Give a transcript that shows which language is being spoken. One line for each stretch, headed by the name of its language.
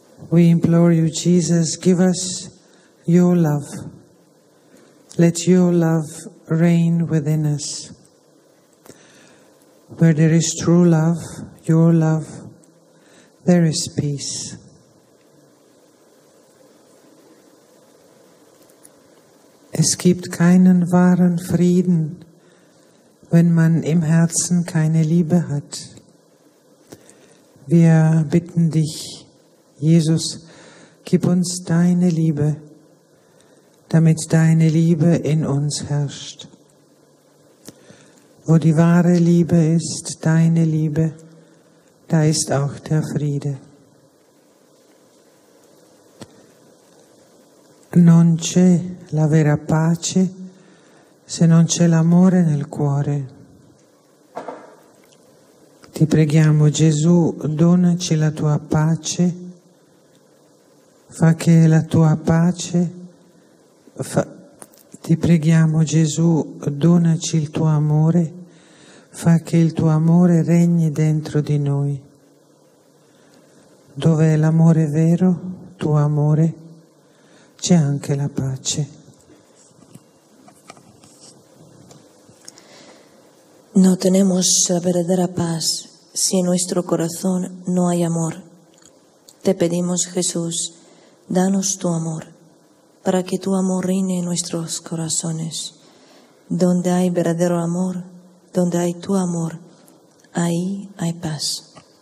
English: We implore you, Jesus, give us your love. Let your love reign within us. Where there is true love, your love, there is peace.
German: Es gibt keinen wahren Frieden, wenn man im Herzen keine Liebe hat. Wir bitten dich, Jesus, gib uns deine Liebe, damit deine Liebe in uns herrscht. Wo die wahre Liebe ist, deine Liebe, da ist auch der Friede.
Italian: Non c'è la vera pace, se non c'è l'amore nel cuore. Ti preghiamo, Gesù, donaci la tua pace. Fa che la tua pace, ti preghiamo Gesù, donaci il tuo amore, fa che il tuo amore regni dentro di noi. Dove è l'amore vero, tuo amore, c'è anche la pace.
Spanish: No tenemos la verdadera paz si en nuestro corazón no hay amor. Te pedimos, Jesús, danos tu amor, para que tu amor reine en nuestros corazones. Donde hay verdadero amor, donde hay tu amor, ahí hay paz.